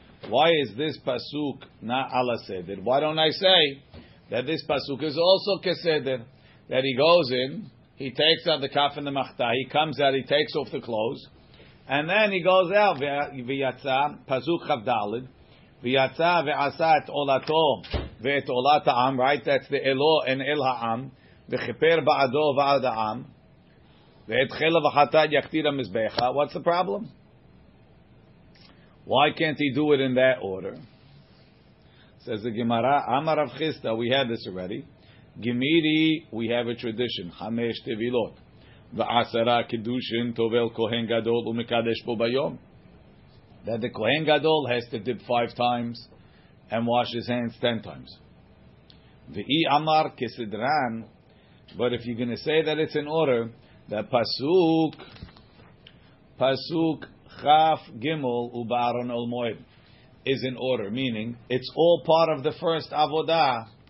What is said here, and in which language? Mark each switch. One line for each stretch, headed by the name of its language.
English: Why is this פסוק not על הסדר? Why don't I say that this פסוק is also כסדר, that he goes in, he takes out the kaf and the machta, he comes out, he takes off the clothes, and then he goes out ויצא, פסוק חב דלד,
Hebrew: ויצא ועשה את עולתו ואת עולת העם,
English: right? That's the
Hebrew: אלו and אל העם, וכפר בעדו ועד העם, ואת חלב החטאת יקטיר המזבחה.
English: What's the problem? Why can't he do it in that order? Says the Gemara, Amar Rav Chista, we had this already.
Hebrew: Gemiri,
English: we have a tradition,
Hebrew: חמש תבילות, ועשרה קדושין תובל כהן גדול ומקדש בו ביום.
English: That the Kohen Gadol has to dip 5 times and wash his hands 10 times.
Hebrew: V'i amar kesedran.
English: But if you're going to say that it's in order, that Pasuk Chaf Gimel Ubaron Ol Moed is in order, meaning it's all part of the first Avodah.